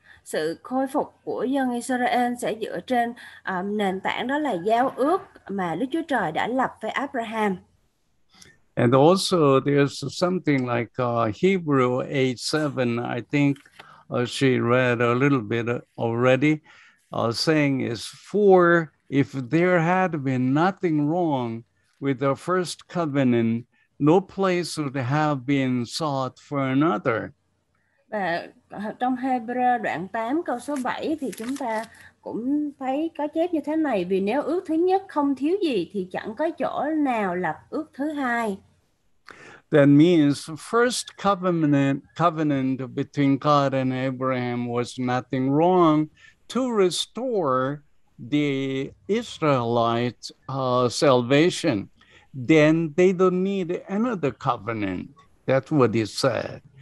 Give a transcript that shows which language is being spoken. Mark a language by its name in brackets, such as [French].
[Vietnamese] Sự khôi phục của dân Israel sẽ dựa trên nền tảng đó là giao ước mà Đức Chúa Trời đã lập với Abraham. [English] And also there's something like Hebrew 8:7, I think. She read a little bit already, saying is, for if there had been nothing wrong with the first covenant, no place would have been sought for another. [Vietnamese] Và trong Hebrew đoạn 8 câu số 7 thì chúng ta cũng thấy có chép như thế này, vì nếu ước thứ nhất không thiếu gì thì chẳng có chỗ nào lập ước thứ hai. [English] That means first covenant between God and Abraham was nothing wrong to restore the Israelites' salvation. Then they don't need another covenant. That's what he said.